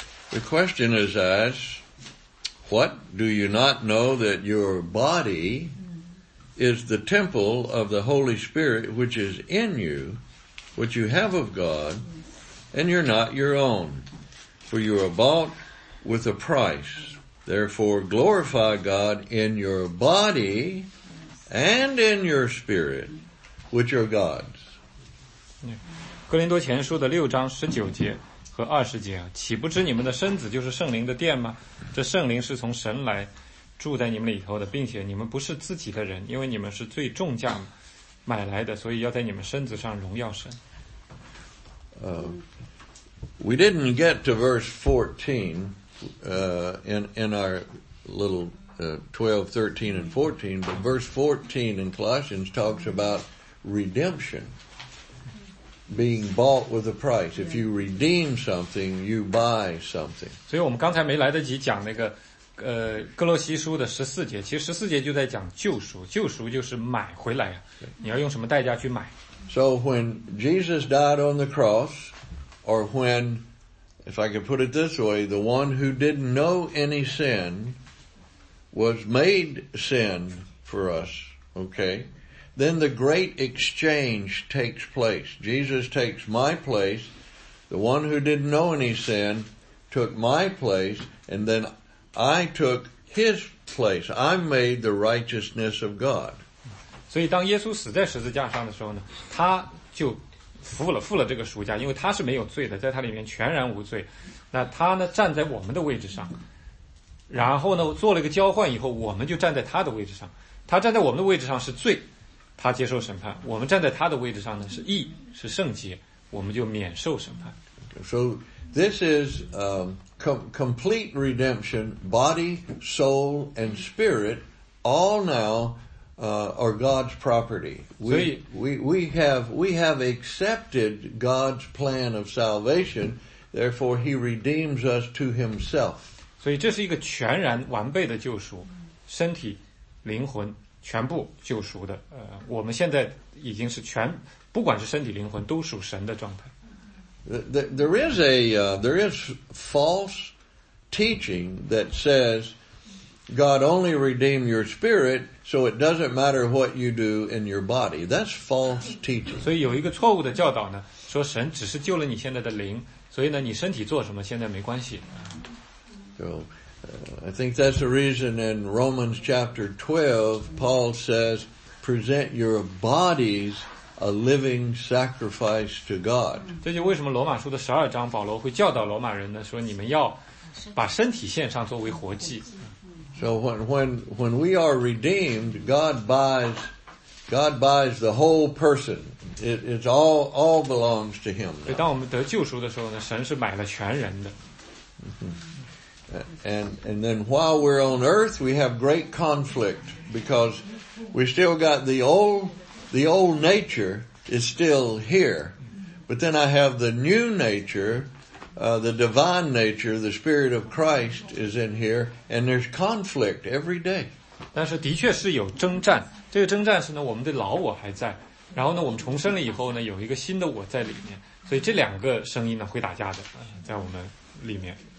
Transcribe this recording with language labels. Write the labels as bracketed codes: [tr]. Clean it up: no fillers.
[en] The question is asked, what do you not know that your body is the temple of the Holy Spirit which is in you, which you have of God, and you're not your own? For you are bought with a price. Therefore glorify God in your body and in your spirit, which are God's. [zh] 哥林多前书的六章十九节和二十节，岂不知你们的身子就是圣灵的殿吗？这圣灵是从神来住在你们里头的，并且你们不是自己的人，因为你们是最重价买来的，所以要在你们身子上荣耀神。 [en] We didn't get to verse 14 in our little 12, 13 and 14, but verse 14 in Colossians talks about redemption. Being bought with a price. If you redeem something, you buy something. [zh] 所以我们刚才没来得及讲那个哥罗西书的十四节，其实十四节就在讲救赎，救赎就是买回来，你要用什么代价去买。 [en] So when Jesus died on the cross, or when, if I could put it this way, the one who didn't know any sin was made sin for us, okay? Then the great exchange takes place. Jesus takes my place. The one who didn't know any sin took my place, and then I took his place. I made the righteousness of God. [zh] 所以当耶稣死在十字架上的时候呢，他就付了这个赎价，因为他是没有罪的，在他里面全然无罪。那他呢，站在我们的位置上，然后呢，做了一个交换以后，我们就站在他的位置上。他站在我们的位置上是罪。他接受审判，我们站在他的位置上呢，是义，是圣洁，我们就免受审判。 [en] So this is complete redemption, body, soul, and spirit, all now are God's property. We have accepted God's plan of salvation, therefore He redeems us to Himself. [zh] 所以这是一个全然完备的救赎，身体、灵魂。全部救赎的，我们现在已经是全，不管是身体灵魂都属神的状态。 [en] There is false teaching that says God only redeemed your spirit, so it doesn't matter what you do in your body. That's false teaching. [zh] 所以有一个错误的教导呢，说神只是救了你现在的灵，所以呢，你身体做什么现在没关系。 [en] I think that's the reason in Romans chapter 12, Paul says, present your bodies a living sacrifice to God. [zh] 这就为什么罗马书的十二章保罗会教导罗马人呢，说你们要把身体献上作为活祭。 [en] So when we are redeemed, God buys the whole person. It all belongs to him. [zh] 对，当我们得救赎的时候呢，神是买了全人的。 [en] And then while we're on earth, we have great conflict because we still got the old nature is still here. But then I have the new nature, the divine nature, the Spirit of Christ is in here, and there's conflict every day. [zh] 但是的确是有征战，这个征战是呢，我们的老我还在，然后呢，我们重生了以后呢，有一个新的我在里面，所以这两个声音呢会打架的，在我们里面。